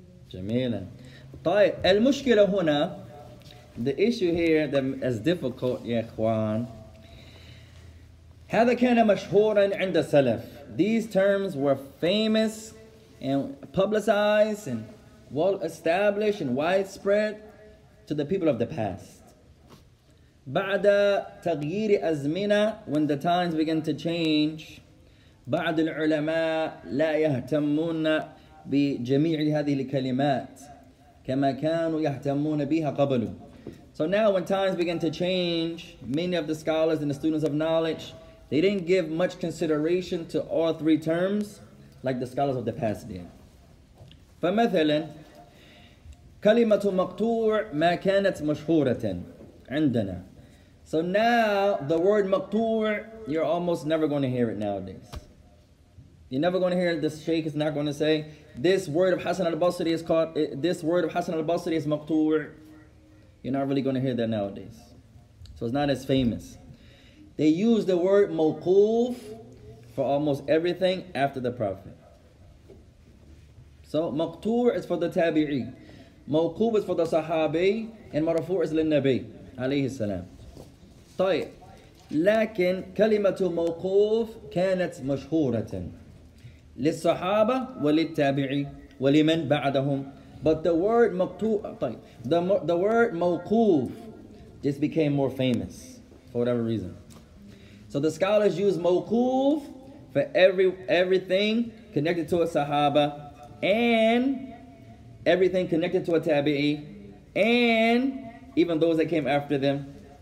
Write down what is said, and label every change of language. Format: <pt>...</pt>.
<ar>جميلة. طيب المشكلة هنا</ar> <en>the issue here that is difficult, ya ikhwan.</en> <ar>هذا كان مشهورا عند السلف.</ar> <en>These terms were famous and publicized and well established and widespread to the people of the past.</en> <ar>بعد تغيير أزمنة,</ar> <en>when the times began to change,</en> <ar>بعض العلماء لا يهتمون بجميع هذه الكلمات كما كانوا يهتمون بها قبل.</ar> <en>So now when times began to change, many of the scholars and the students of knowledge, they didn't give much consideration to all three terms like the scholars of the past did.</en> <ar>فمثلا كلمة مقطوع ما كانت مشهورة عندنا.</ar> <en>So now the word مقطوع, you're almost never going to hear it nowadays. You're never going to hear, this sheikh is not going to say, this word of Hassan al-Basri is called, this word of Hassan al-Basri is maqtu'. You're not really going to hear that nowadays. So it's not as famous. They use the word mawquf for almost everything after the Prophet. So maqtu' is for the tabi'i. Mawquf is for the sahabi. And marfu' is lil-nabi, alayhi salam. طيب.</en> <ar>لكن كلمة مَوْقُوف كانت مشهورة. للصحابة وللتابعي ولمن بعدهم.</ar> <en>But the word مقطوع, the word موقوف just became more famous for whatever reason. So the scholars use موقوف for everything connected to a sahaba and everything connected to a tabi'i and even those that came after them.</en>